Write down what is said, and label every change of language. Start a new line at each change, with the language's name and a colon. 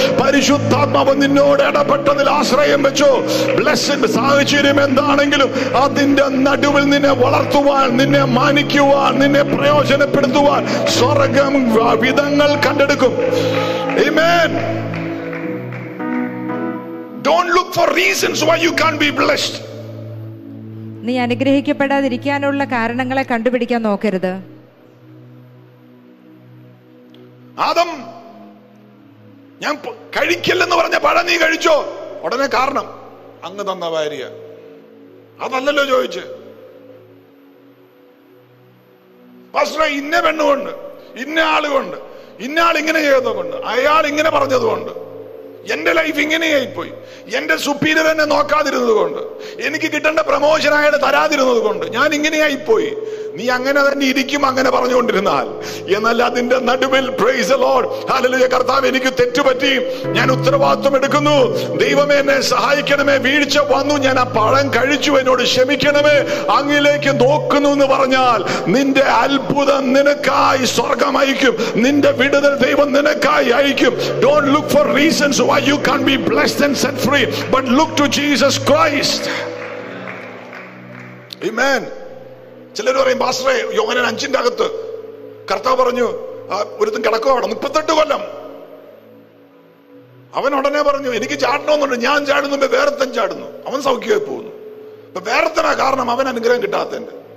Malayalam: പരിശുദ്ധാത്മാവ് നിന്നോട് ഇടപെട്ടതിൽ ആശ്രയം വെച്ചോ. ബ്ലെസ്സിംഗ്, സാഹചര്യം എന്താണെങ്കിലും അതിന്റെ നടുവിൽ നിന്നെ വളർത്തുവാൻ, നിന്നെ മാനിക്കുവാൻ, നിന്നെ പ്രയോജനപ്പെടുത്തുവാൻ സ്വർഗം വിധങ്ങൾ കണ്ടെടുക്കും. Amen.
English: Don't look for reasons why you can't be blessed.
Malayalam: നീ അനുഗ്രഹിക്കപ്പെടാതിരിക്കാനുള്ള കാരണങ്ങളെ കണ്ടുപിടിക്കാൻ നോക്കരുത്. ആദം, ഞാൻ കഴിക്കില്ലെന്ന് പറഞ്ഞ പഴം നീ കഴിച്ചോ? ഉടനെ കാരണം, അങ്ങ് തന്ന ഭാര്യ. അതല്ലല്ലോ ചോദിച്ചു. പാസ്റ്റർ, ഇന്ന പെണ്ണുകൊണ്ട്, ഇന്ന ആളുകൊണ്ട്, ഇന്നയാൾ ഇങ്ങനെ ചെയ്തതുകൊണ്ട്, അയാൾ ഇങ്ങനെ പറഞ്ഞതുകൊണ്ട്, എന്റെ ലൈഫ് ഇങ്ങനെയായിപ്പോയി, എന്റെ സുപ്പീരിയർ എന്നെ നോക്കാതിരുന്നത് കൊണ്ട്, എനിക്ക് കിട്ടേണ്ട പ്രമോഷൻ അയാൾ തരാതിരുന്നത് കൊണ്ട് ഞാൻ ഇങ്ങനെയായിപ്പോയി. നീ അങ്ങനെ തന്നെ ഇരിക്കും അങ്ങനെ പറഞ്ഞുകൊണ്ടിരുന്നാൽ. എന്നാൽ അതിന്റെ നടുവിൽ,
English: praise the lord,
Malayalam: ഹല്ലേലൂയ, കർത്താവ് എനിക്ക് തെറ്റുപറ്റി, ഞാൻ ഉത്തരവാദിത്വം എടുക്കുന്നു, ദൈവമേ എന്നെ സഹായിക്കണമേ, വീഴ്ച വന്നു, ഞാൻ ആ പഴം കഴിച്ചു, എന്നോട് ക്ഷമിക്കണമേ, അങ്ങിലേക്ക് നോക്കുന്നു എന്ന് പറഞ്ഞാൽ നിന്റെ അത്ഭുതം നിനക്കായി സ്വർഗം അയക്കും, നിന്റെ വിടുതൽ ദൈവം നിനക്കായി അയക്കും.
English: Don't look for reasons why you can't be blessed and set free, but look to Jesus Christ. Amen.
Malayalam: ചിലര് പറയും പാസ്റ്ററെ യോഹന്നാൻ അഞ്ചിന്റെ അകത്ത് കർത്താവ് പറഞ്ഞു ഒരുത്തും കിടക്കും അവിടെ 38 കൊല്ലം. അവൻ ഉടനെ പറഞ്ഞു എനിക്ക് ചാടണമെന്നുണ്ട്, ഞാൻ ചാടുന്നു, വേറത്തൻ ചാടുന്നു. അവൻ സൗഖ്യമായി പോകുന്നു. ഇപ്പൊ വേറത്തനാ കാരണം അവൻ അനുഗ്രഹം കിട്ടാത്തതിന്റെ.